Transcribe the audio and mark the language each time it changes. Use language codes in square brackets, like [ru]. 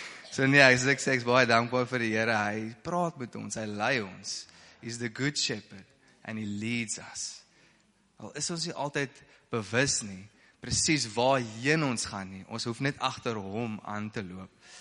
[af] So nee, ek is baie dankbaar vir die Here. Hy praat met ons, hy lei ons. [en] He's the good shepherd and he leads us. [af] Al is ons nie altyd bewus nie presies waarheen ons gaan nie. Ons hoef net agter hom aan te loop.